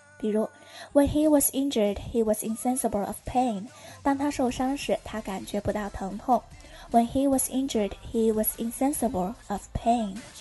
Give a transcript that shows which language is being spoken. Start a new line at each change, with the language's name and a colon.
Chinese: 比如
English: When he was injured, he was insensible of pain.
Chinese: 当他受伤时，他感觉不到疼痛。
English: When he was injured, he was insensible of pain.